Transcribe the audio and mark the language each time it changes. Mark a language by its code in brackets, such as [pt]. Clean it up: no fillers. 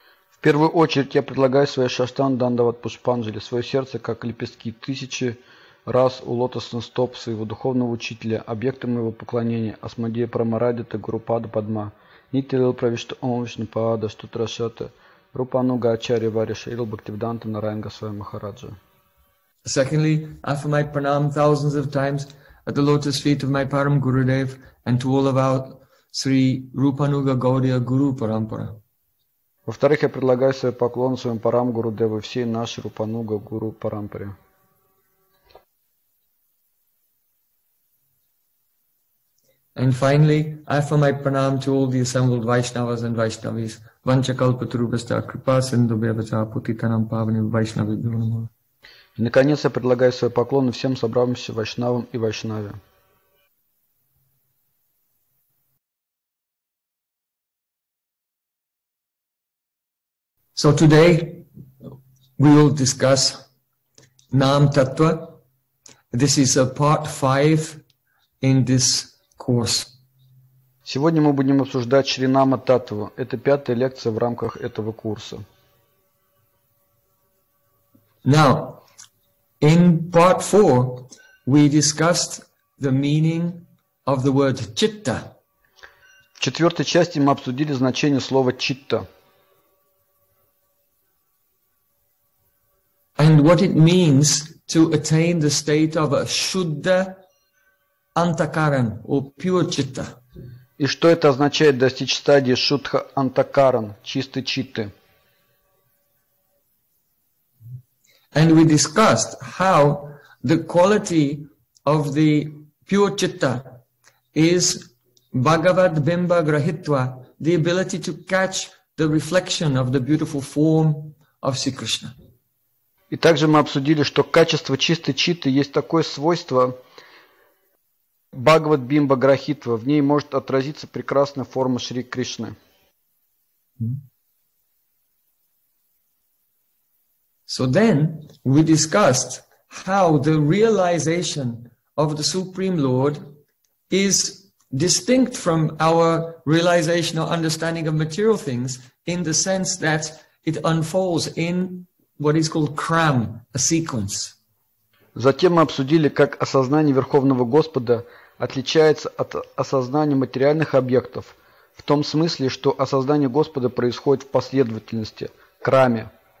[ru] В первую очередь я предлагаю свое шаштан дандават пушпанджали, свое сердце, как лепестки тысячи раз у лотосных стоп своего духовного учителя, объекта моего поклонения, Асмадия Прамарадита Гурупада Падма, Нитилил Правишта Омвишна Паада Штутрашата, Рупануга Ачарья Вариша, Ил Бхактивданта Нараянга Свай Махараджа. [en] Secondly, offer my pranam thousands of times at the lotus feet of my Param Gurudev and to all about Sri Rupanuga Gaudiya Guru Parampara. [ru] Во-вторых, я предлагаю свой поклон своим парам Гуру Девы, всей нашей Рупануга Гуру Парампаре. [en] And finally, I offer my pranam to all the assembled Vaishnavas and Vaishnavis. [sa] Ванчакалпа трубаста крипа синду бьявача путитанам павни вайшнави бьюнаму. [ru] И наконец, я предлагаю свой поклон всем собравшимся Вайшнавам и Вайшнаве. [en] So today we will discuss Nama-Tattva. This is a part 5 in this course. [ru] Сегодня мы будем обсуждать Шри Нама-Таттву. Это пятая лекция в рамках этого курса. [en] Now, in part 4 we discussed the meaning of the word chitta. [ru] В четвертой части мы обсудили значение слова читта. [en] And what it means to attain the state of a shuddha antakaran or pure chitta. [ru] И что это означает достичь стадии шудха антакаран, чистой читты? [en] And we discussed how the quality of the pure chitta is bhagavad bimba grahitva, the ability to catch the reflection of the beautiful form of Sri Krishna. [ru] И также мы обсудили, что качество чистой читты есть такое свойство Бхагават Бимба Грахитва. В ней может отразиться прекрасная форма Шри Кришны. [en] So then we discussed how the realization of the Supreme Lord is distinct from our realization or understanding of material things in the sense that it unfolds in what is called kram, a sequence. [ru] Затем мы обсудили, как осознание Верховного Господа отличается от осознания материальных объектов в том смысле, что осознание Господа происходит в последовательности, краме.